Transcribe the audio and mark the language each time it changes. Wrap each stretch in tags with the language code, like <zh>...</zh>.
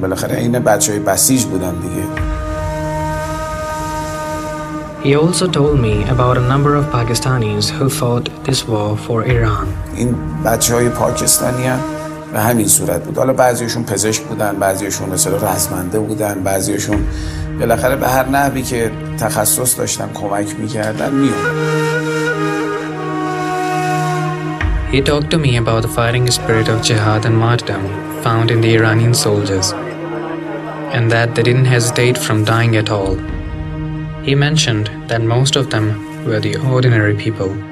<fa>بالاخره این بچه های بسیج بودن دیگه.</fa> <en>He also told me about a number of Pakistanis who fought this war for Iran.</en> <fa>این بچه های پاکستانی هم به همین صورت بود. حالا بعضیشون پزشک بودن، بعضیشون به سال رزمنده بودن، بعضیشون بالاخره به هر نحوی که تخصص داشتن کمک می کردن می اومدن.</fa> <en>He talked to me about the fighting spirit of jihad and martyrdom found in the Iranian soldiers, and that they didn't hesitate from dying at all. He mentioned that most of them were the ordinary people.</en>